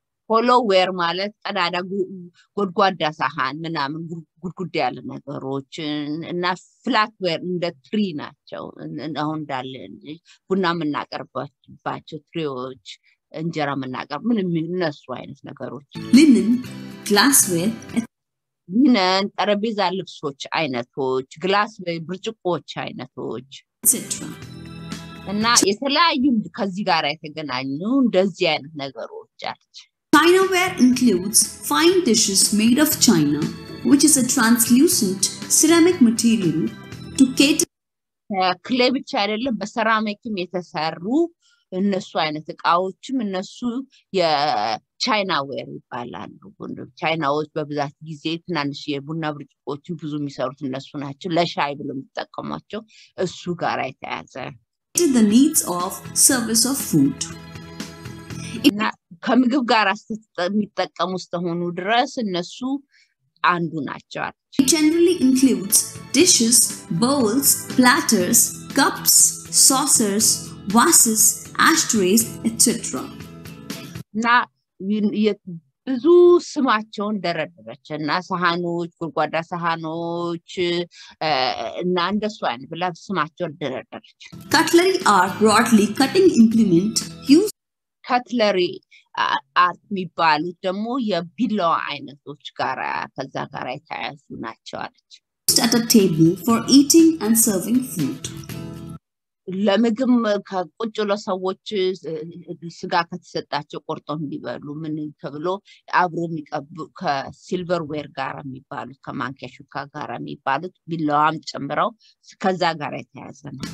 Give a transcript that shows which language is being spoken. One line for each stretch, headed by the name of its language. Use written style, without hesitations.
Amharic: ሆሎዌር ማለት ቀዳዳ፣ ጎድጓዳ ሳህን ምናምን ጉድጉድ ያለ ነገሮች እና ፍላትዌር እንደ ትሪ ናቸው። አሁን እንዳለ ቡና የምናቀርባቸው ትሪዎች፣ እንጀራ የምናቀርብ ምንም እነሱ አይነት ነገሮች።
English: ሊነን፣ ግላስዌር፣
Amharic: ሊነን ጠረጴዛ ልብሶች አይነቶች፣ ግላስዌር ብርጭቆች አይነቶች እና የተለያዩ ከዚህ ጋር የተገናኙ እንደዚህ አይነት ነገሮች አለች።
English: Chinaware includes fine dishes made of china, which is a translucent ceramic material to cater
Amharic: clay ብቻ አይደለም በሴራሚክም የተሰሩ እነሱ አይነት እቃዎችም እነሱ የቻይናዌር ይባላሉ። ቻይናዎች በብዛት ጊዜ ትናንሽ የቡና ብርጭቆችን ብዙ የሚሰሩት እነሱ ናቸው። ለሻይ ብለም ተጠቀማቸው እሱ ጋር አይተያዘ
English: the needs of service of food
Amharic: ከምግብ ጋር የሚጠቀሙ ስተሆኑ ድረስ እነሱ አንዱ ናቸው።
English: It generally includes dishes, bowls, platters, cups, saucers, vases, ashtrays, etc.
Amharic: እና ብዙ ስማቸውን ደረደረች እና ሳህኖች፣ ጎድጓዳ ሳህኖች እና እንደሱ አይነት ብላ ስማቸውን ደረደረች።
English: Cutlery are broadly cutting implement used
Amharic: Cutlery አርት የሚባሉት ደግሞ የቢላዋ አይነቶች ጋር ከዛ ጋር የተያያዙ ናቸው አለች።
English: At a table for eating and serving food.
Amharic: ለምግብ ከቁጭ ብሎ ሰዎች ስጋ ከተሰጣቸው ቆርጦ እንዲበሉ ምን ተብሎ አብሮ የሚቀቡ ከሲልቨር ዌር ጋር የሚባሉት ከማንኪያ ሹካ ጋር የሚባሉት ቢላዋም ጨምረው ከዛ ጋር የተያያዘ ነው።